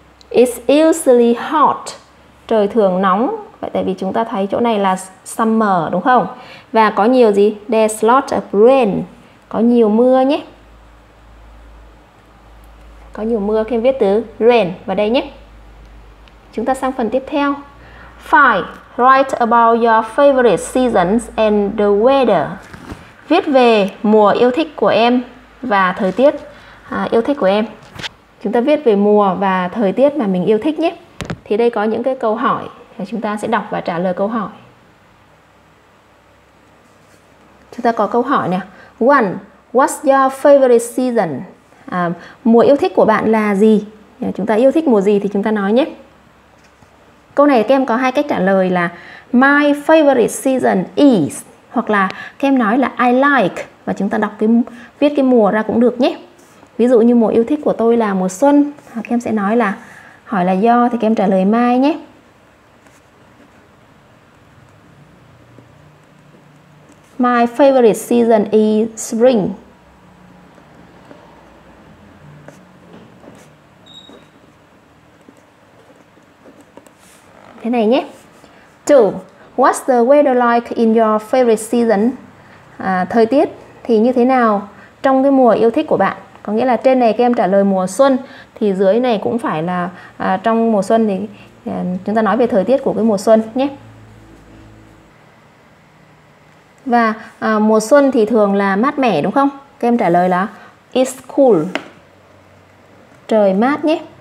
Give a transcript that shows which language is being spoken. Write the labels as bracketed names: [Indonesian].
[English] It's usually hot. [Vietnamese] Trời thường nóng. Vậy tại vì chúng ta thấy chỗ này là summer, đúng không? Và có nhiều gì? [English] There's a lot of rain. [Vietnamese] Có nhiều mưa nhé. Có nhiều mưa, khi em viết từ rain vào đây nhé. Chúng ta sang phần tiếp theo. [English] 5. Write about your favorite seasons and the weather. [Vietnamese] Viết về mùa yêu thích của em và thời tiết yêu thích của em. Chúng ta viết về mùa và thời tiết mà mình yêu thích nhé. Thì đây có những cái câu hỏi. Chúng ta sẽ đọc và trả lời câu hỏi. Chúng ta có câu hỏi nè. 1. [English] What's your favorite season? [Vietnamese] Mùa yêu thích của bạn là gì? Chúng ta yêu thích mùa gì thì chúng ta nói nhé. Câu này các em có hai cách trả lời là [English] My favorite season is, [Vietnamese] hoặc là các em nói là [English] I like, [Vietnamese] và chúng ta đọc cái viết cái mùa ra cũng được nhé. Ví dụ như mùa yêu thích của tôi là mùa xuân, các em sẽ nói là hỏi là do thì các em trả lời mai nhé. [English] My favorite season is spring. [Vietnamese] Thế này nhé. 2. [English] What's the weather like in your favorite season? [Vietnamese] Thời tiết thì như thế nào trong cái mùa yêu thích của bạn? Có nghĩa là trên này các em trả lời mùa xuân thì dưới này cũng phải là trong mùa xuân thì chúng ta nói về thời tiết của cái mùa xuân nhé. Và mùa xuân thì thường là mát mẻ, đúng không? Các em trả lời là [English] it's cool. [Vietnamese] Trời mát nhé.